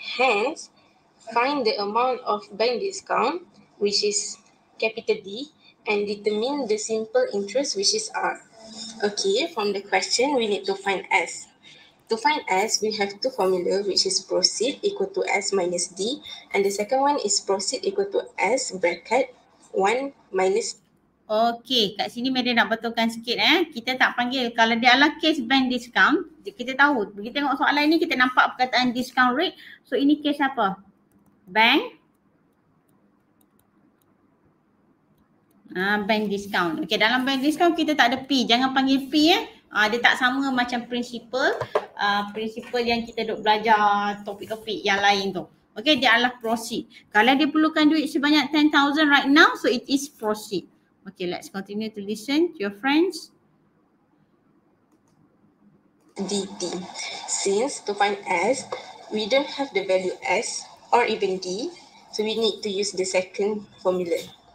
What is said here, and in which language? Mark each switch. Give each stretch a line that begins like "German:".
English: Hence, find the amount of bank discount, which is capital D, and determine the simple interest, which is R. Okay, from the question, we need to find S. To find S, we have two formula, which is proceed equal to S minus D, and the second one is proceed equal to S bracket 1 minus D.
Malay: Okay, kat sini Madam nak betulkan sikit eh. Kita tak panggil, kalau dia adalah case bank discount, kita tahu. Bagi tengok soalan ni, kita nampak perkataan discount rate. So, ini case apa? Bank. Bank discount. Okey, dalam bank discount kita tak ada P. Jangan panggil P eh. Dia tak sama macam prinsipal. Prinsipal yang kita duk belajar topik-topik yang lain tu. Okey, dia adalah proceed. Kalau dia perlukan duit sebanyak 10,000 right now, so it is proceed.
English: Okey, let's continue to listen to your friends. DD. Since to find S, we don't have the value S or even D, so we need to use the second formula.